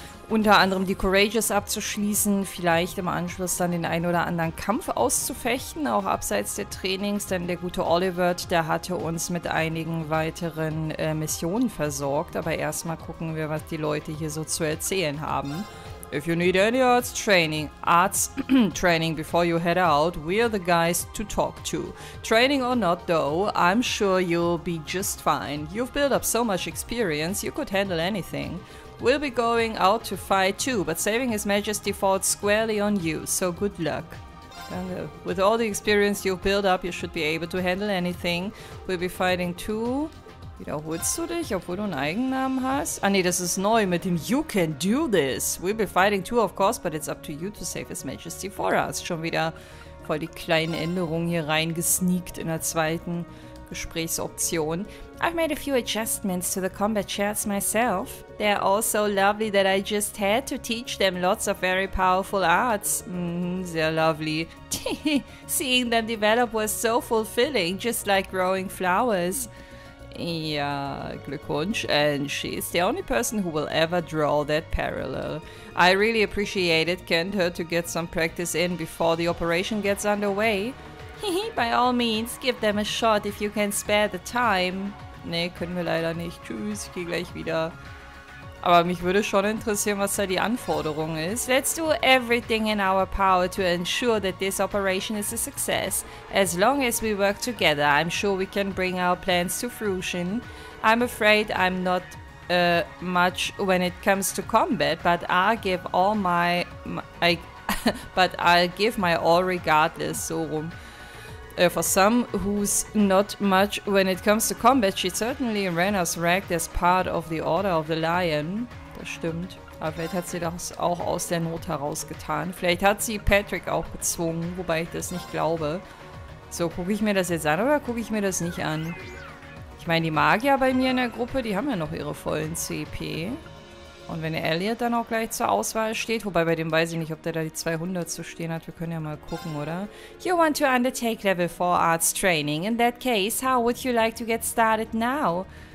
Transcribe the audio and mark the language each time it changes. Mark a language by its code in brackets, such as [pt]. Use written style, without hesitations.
[de] Unter anderem die Courageous abzuschließen, vielleicht im Anschluss dann den ein oder anderen Kampf auszufechten, auch abseits der Trainings, denn der gute Oliver, der hatte uns mit einigen weiteren Missionen versorgt. Aber erstmal gucken wir, was die Leute hier so zu erzählen haben. [en] If you need any arts training before you head out, we're the guys to talk to. Training or not though, I'm sure you'll be just fine. You've built up so much experience, you could handle anything. We'll be going out to fight too, but saving his majesty falls squarely on you, so good luck. With all the experience you've built up, you should be able to handle anything. We'll be fighting too. [de] Wiederholst du dich, obwohl du einen Eigennamen hast? Ah nee, das ist neu mit dem [en] You can do this. We'll be fighting too, of course, but it's up to you to save his majesty for us. [de] Schon wieder voll die kleinen Änderungen hier reingesneakt in der zweiten Gesprächsoption. [en] I've made a few adjustments to the combat chairs myself. They're all so lovely that I just had to teach them lots of very powerful arts. Sehr lovely. Seeing them develop was so fulfilling, just like growing flowers. [de] Ja, Glückwunsch. [en] And she's the only person who will ever draw that parallel. I really appreciate it, can't hurt to get some practice in before the operation gets underway. By all means, give them a shot if you can spare the time. [de] Nee, können wir leider nicht. Tschüss, ich gehe gleich wieder. Aber mich würde schon interessieren, was da die Anforderung ist. [en] Let's do everything in our power to ensure that this operation is a success. As long as we work together, I'm sure we can bring our plans to fruition. I'm afraid I'm not much when it comes to combat, but I'll give all my... but I'll give my all regardless, so rum. For some who's not much when it comes to combat, she certainly ran us ragged as part of the Order of the Lion. [de] Das stimmt. Aber vielleicht hat sie das auch aus der Not heraus getan. Vielleicht hat sie Patrick auch gezwungen, wobei ich das nicht glaube. So, gucke ich mir das jetzt an oder gucke ich mir das nicht an? Ich meine, die Magier bei mir in der Gruppe, die haben ja noch ihre vollen CP. Und wenn Elliot dann auch gleich zur Auswahl steht, wobei bei dem weiß ich nicht, ob der da die 200 zu stehen hat. Wir können ja mal gucken, oder? [en] You want to undertake level 4 arts training. In that case, how would you like to get started now?